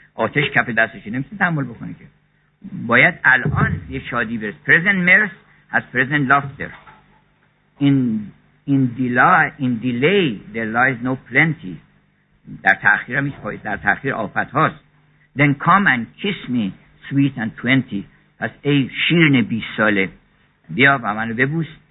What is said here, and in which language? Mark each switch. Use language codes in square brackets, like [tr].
[fa] آتش کف دستش نمیتونه تحمل بکنه که. باید الان یه شادی برس. [en] Present mirth as present laughter. In delay there lies no plenty. [fa] در تأخیر هم ایست، در تأخیر آفت هاست. [en] Then come and kiss me sweet and 20. [fa] پس ای شیرن 20 ساله بیا با منو ببوس.